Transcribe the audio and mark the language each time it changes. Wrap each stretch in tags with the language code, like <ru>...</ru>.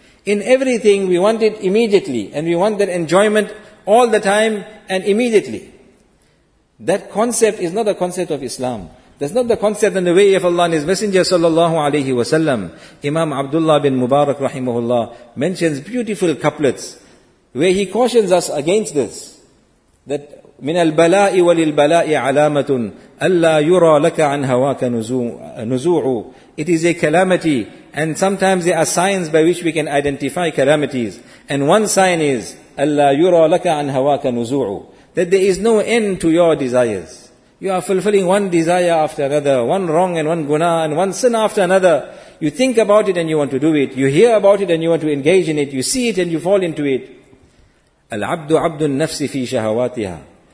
<en>In everything, we want it immediately, and we want that enjoyment all the time and immediately. That concept is not a concept of Islam. That's not the concept and the way of Allah and His Messenger sallallahu alayhi wa sallam. Imam Abdullah bin Mubarak rahimahullah mentions beautiful couplets where he cautions us against this.</en> <ar>That من البلاء وللبلاء علامة ألا يرى لك عن هواك نزوع.</ar> <en>It is a calamity, and sometimes there are signs by which we can identify calamities. And one sign is</en> <ar>ألا يرى لك عن هواك نزوع.</ar> <en>That there is no end to your desires. You are fulfilling one desire after another, one wrong and one guna and one sin after another. You think about it and you want to do it. You hear about it and you want to engage in it. You see it and you fall into it.</en> <ar>Al-abdu abdun nafsi fi shahawatiha.</ar>